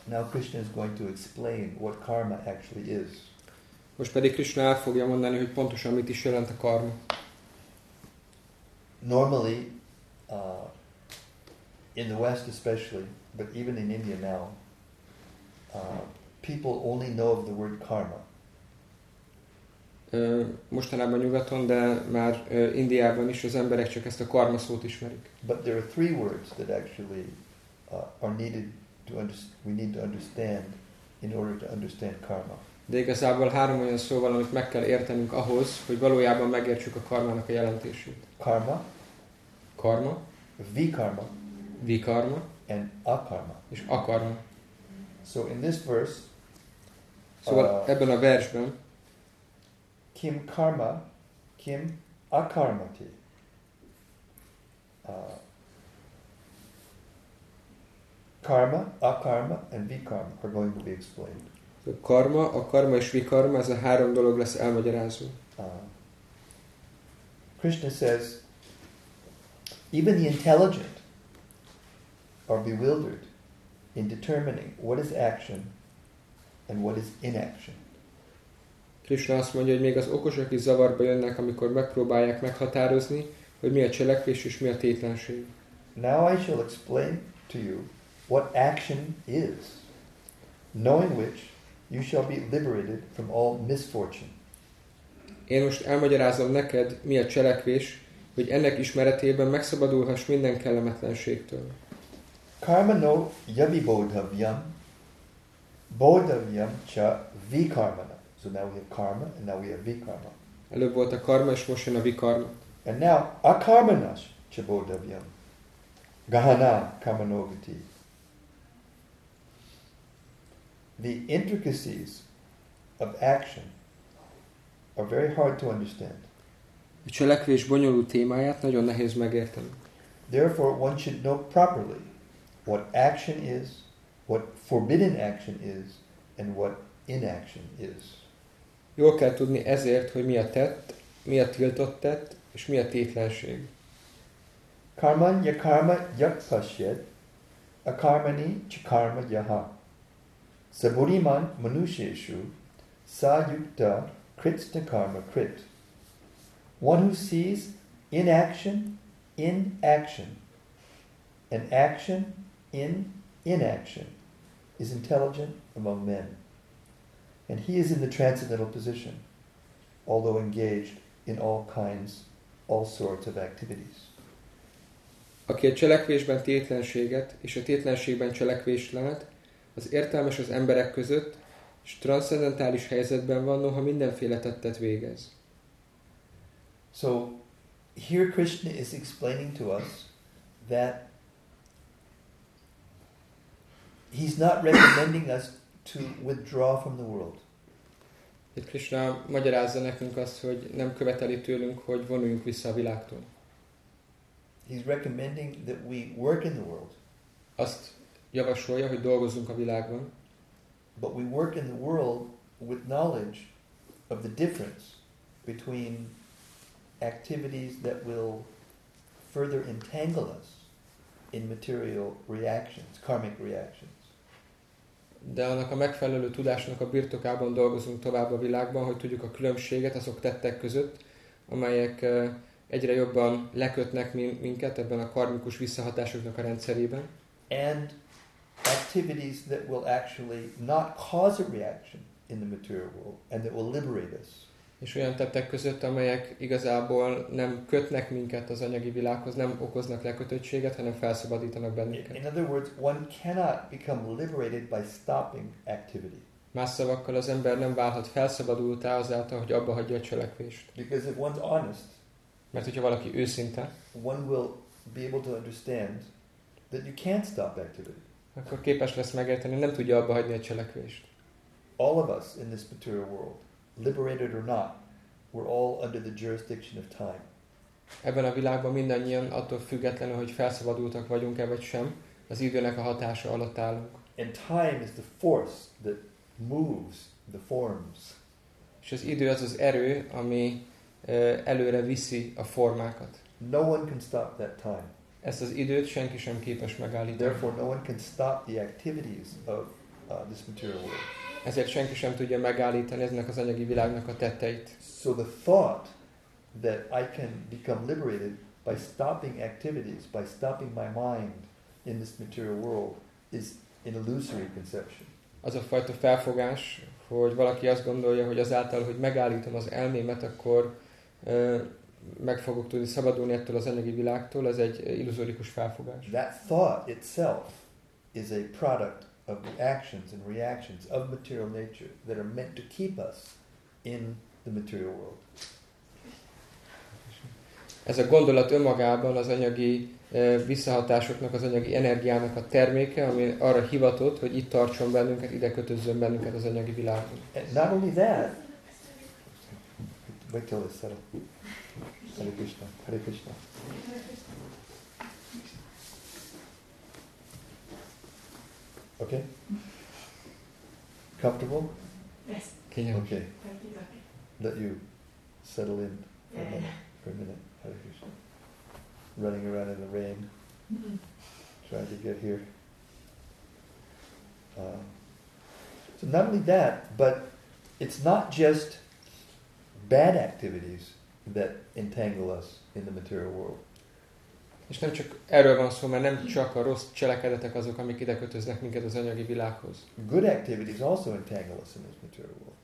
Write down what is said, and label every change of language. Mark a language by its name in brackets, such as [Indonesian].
[English] Now Krishna is going to explain what karma actually is. [Hungarian] Most pedig Krishna el fogja mondani, hogy pontosan mit is jelent a karma. [English] Normally, in the West especially, but even in India now, people only know of the word karma. [Hungarian] Mostanában nyugaton, de már Indiában is az emberek csak ezt a karma szót ismerik. [English] But there are three words that actually are needed to we need to understand in order to understand karma. [Hungarian] De igazából három olyan szóval, amit meg kell értenünk ahhoz, hogy valójában megértsük a karmának a jelentését. [English] Karma. [Hungarian] Karma. [English] Vikarma. [Hungarian] Vikarma. [English] And akarma. [Hungarian] És akarma. [English] So in this verse, [Hungarian] szóval ebben a versben, [Sanskrit] kim karma, kim akarmati. [English] Karma, akarma, and vikarma are going to be explained. [Hungarian] A karma, a karma és vikarma, ez a három dolog lesz elmagyarázva. [English] Krishna says, even the intelligent are bewildered in determining what is action and what is inaction. [Hungarian] Krishna azt mondja, hogy még az okosok is zavarba jönnek, amikor megpróbálják meghatározni, hogy mi a cselekvés és mi a tétlenség. [English] Now I shall explain to you what action is, knowing which you shall be liberated from all misfortune. [Hungarian] Én most elmagyarázom neked, mi a cselekvés, hogy ennek ismeretében megszabadulhass minden kellemetlenségtől. [Sanskrit] Karma no yavibodhavyam, bodhavyam cha vikarmana. [English] So now we have karma, and now we have vikarma. [Hungarian] Előbb volt a karma, és most jön a vikarma. [English] And now, [Sanskrit] akarmanas cha bodhavyam, gahana kamanogati. [English] The intricacies of action are very hard to understand. [Hungarian] A cselekvés bonyolult témáját nagyon nehéz megérteni. [English] Therefore, one should know properly what action is, what forbidden action is, and what inaction is. [Hungarian] Jól kell tudni ezért, hogy mi a tett, mi a tiltott tett, és mi a tétlenség. [Sanskrit] Karman ya karma yakpasyet, akarmani cha karma yaha. Saburiman manusheshu sayukta kritna karma krit. [English] One who sees inaction in action and action in inaction is intelligent among men. And he is in the transcendental position, although engaged in all kinds, all sorts of activities. [Hungarian] Aki a cselekvésben tétlenséget és a tétlenségben cselekvést lát, az értelmes az emberek között, és transzcendentális helyzetben van, noha mindenféle tettet végez. [English] So, here Krishna is explaining to us that he's not recommending us to withdraw from the world. [Hungarian] Itt Krishna magyarázza nekünk azt, hogy nem követeli tőlünk, hogy vonuljunk vissza a világtól. [English] He's recommending that we work in the world. [Hungarian] Azt javasolja, hogy dolgozzunk a világban. [English] But we work in the world with knowledge of the difference between activities that will further entangle us in material reactions, karmic reactions. [Hungarian] De annak a megfelelő tudásnak a birtokában dolgozunk tovább a világban, hogy tudjuk a különbséget azok tettek között, amelyek egyre jobban lekötnek minket ebben a karmikus visszahatásoknak a rendszerében. [English] And activities that will actually not cause a reaction in the material world and that will liberate us. [Hungarian] És olyan tettek között, amelyek igazából nem kötnek minket az anyagi világhoz, nem okoznak lekötöttséget, hanem felszabadítanak bennünket. [English] In other words, one cannot become liberated by stopping activity. [Hungarian] Más szavakkal, az ember nem válhat felszabadultá azáltal, hogy abba hagyja a cselekvést. [English] Because if one's honest, [Hungarian] mert hogyha valaki őszinte, [English] one will be able to understand that you can't stop activity. [Hungarian] Akkor képes lesz megérteni, nem tudja abba hagyni a cselekvést. [English] All of us in this material world, liberated or not, we're all under the jurisdiction of time. [Hungarian] Ebben a világban mindannyian, attól függetlenül, hogy felszabadultak vagyunk-e vagy sem, az időnek a hatása alatt állunk. [English] And time is the force that moves the forms. [Hungarian] És az idő az az erő, ami előre viszi a formákat. [English] No one can stop that time. [Hungarian] Ezt az időt senki sem képes megállítani. [English] Therefore, no one can stop the activities of this material world. [Hungarian] Ezért senki sem tudja megállítani ennek az anyagi világnak a tetteit. [English] So the thought that I can become liberated by stopping activities, by stopping my mind in this material world, is an illusory conception. [Hungarian] az a fajta felfogás, hogy valaki azt gondolja, hogy azáltal, hogy megállítom az elmémet, akkor meg fogok tudni szabadulni ettől az anyagi világtól, ez egy illuzórikus felfogás. [English] That thought itself is a product of the actions and reactions of material nature that are meant to keep us in the material world. [Hungarian] Ez a gondolat önmagában az anyagi visszahatásoknak, az anyagi energiának a terméke, ami arra hivatott, hogy itt tartson bennünket, ide kötözzön bennünket az anyagi világon. [English] Not only that, wait till it's settled. Hare Krishna, Hare Krishna. Okay? Comfortable? Yes. Can you? Okay. Let you settle in for, yeah, a minute. For a minute. Hare Krishna. Running around in the rain, trying to get here. So not only that, but it's not just bad activities that entangle us in the material world. [Hungarian] És nem csak erről van szó, mert nem csak a rossz cselekedetek azok, amik ide kötöznek minket az anyagi világhoz. [English] Good activities also entangle us in this material world.